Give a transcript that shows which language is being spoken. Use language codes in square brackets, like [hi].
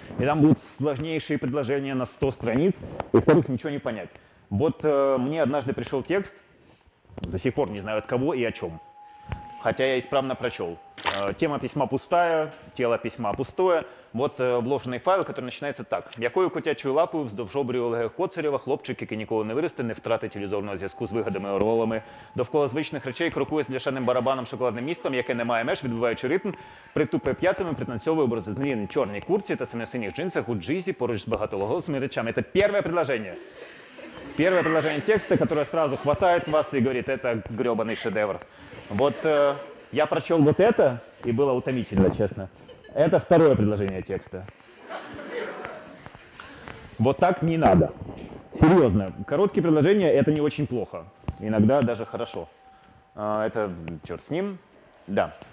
[ru] И там будут сложнейшие предложения на 100 страниц, из которых ничего не понять. Вот мне однажды пришел текст, до сих пор не знаю от кого и о чем, хотя я исправно прочел. Тема письма пустая, тело письма пустое. Вот вложенный файл, который начинается так. [uk] «Якою котячою лапою вздовж обрію Олега Коцарєва хлопчик, який ніколи не виросте, не втратить ілюзорного зв'язку з вигадами оролами, довкола звичних речей крокує з бляшаним барабаном шоколадним містом, яке не має меж, відбиваючи ритм, притупує п'ятами, пританцьовує образи на чорній курці та синьо-синіх джинсах у джизі поруч з багатоголосими речами». Це перше предложення. Перше предложення тексту, яке одразу хватає вас і говорить, це грьобаний шедевр. [ru] Вот, я прочел вот это, и было утомительно, честно. Это второе предложение текста. Вот так не надо. Серьезно, короткие предложения — это не очень плохо. Иногда даже хорошо. Это черт с ним. Да.